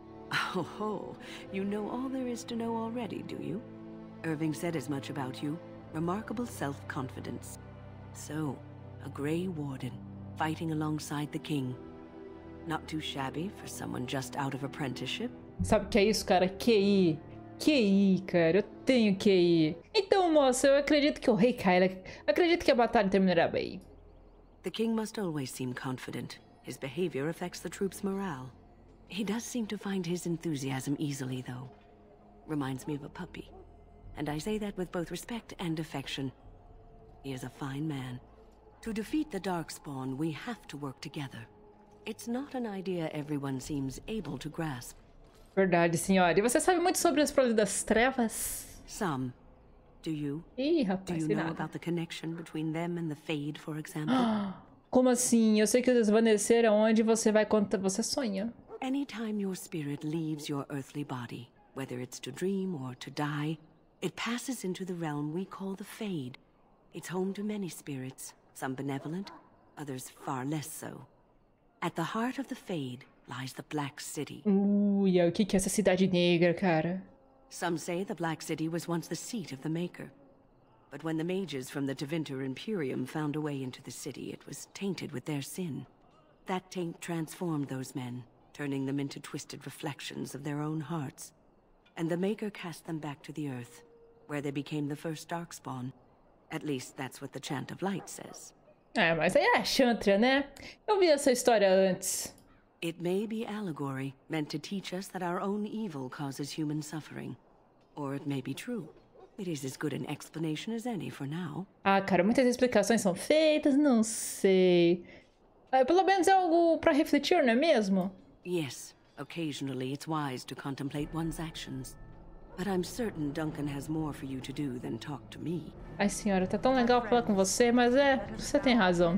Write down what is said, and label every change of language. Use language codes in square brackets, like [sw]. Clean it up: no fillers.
[en] Oh, you know all there is to know already, do you? Irving said as much about you. Remarkable self-confidence. So, a Grey Warden, fighting alongside the King. Not too shabby for someone just out of apprenticeship. [pt] Sabe o que é isso, cara? QI. QI, cara. Eu tenho QI. Então, moça, eu acredito que o rei cai. Acredito que a batalha terminará bem. [en] The King must always seem confident. His behavior affects the troops' morale. He does seem to find his enthusiasm easily, though. Reminds me of a puppy. And I say that with both respect and affection. He is a fine man. To defeat the Darkspawn, we have to work together. It's not an idea everyone seems able to grasp. [pt] Verdade, senhora. E você sabe muito sobre as Prolas das Trevas? [en] Some. Do you? [pt] Ih, rapaz, [en] do you know about the connection between them and the Fade, for example? [pt] Como assim? Eu sei que o desvanecer é onde você vai quando você sonha. [en] Anytime your spirit leaves your earthly body, whether it's to dream or to die, it passes into the realm we call the Fade. It's home to many spirits, some benevolent, others far less so. At the heart of the Fade lies the Black City. [pt] Ui, o que é essa cidade negra, cara? [en] Some say the Black City was once the seat of the Maker. But when the mages from the Tevinter Imperium found a way into the city, it was tainted with their sin. That taint transformed those men, turning them into twisted reflections of their own hearts. And the Maker cast them back to the Earth, where they became the first Darkspawn. At least that's what the Chant of Light says. [pt] É, mas aí é a Chantra, né? Eu vi essa história antes. [en] It may be allegory, meant to teach us that our own evil causes human suffering. Or it may be true. It is as good an explanation as any for now. [pt] Ah, cara, muitas explicações são feitas, não sei. Pelo menos é algo para refletir, não é mesmo? [en] Yes, occasionally it's wise to contemplate one's actions. But I'm certain Duncan has more for you to do than talk to me. [pt] Ai, senhora, tá tão legal falar com você, mas é, você tem razão.